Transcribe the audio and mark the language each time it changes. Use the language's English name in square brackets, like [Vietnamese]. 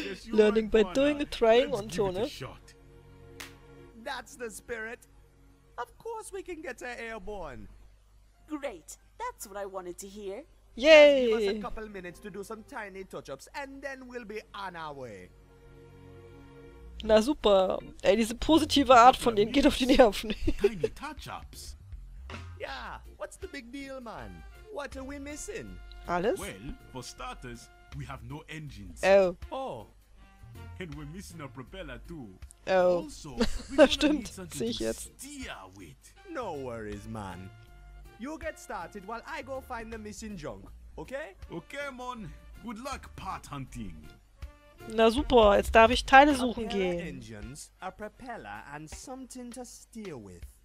[English] Learning by doing, trying on Tone. That's the spirit. Of course we can get her airborne. Great. That's what I wanted to hear. Yay! Give us a couple minutes to do some tiny touch-ups and then we'll be on our way. [German] Na super. Ey, diese positive Art von denen geht auf die Nerven. [English] Tiny touch-ups. Yeah, what's the big deal, man? What are we missing? [German] Alles? [English] Well, for starters, we have no engines. Oh. Oh. And we're missing a propeller too. [German] Oh. Also, we're stimmt, sehe ich jetzt. [English] Steer with. No worries, man. You get started while I go find the missing junk, okay? Okay, man. Good luck, part hunting. [German] Na super, jetzt darf ich Teile suchen gehen. [English] Engines, a propeller and something to steer with.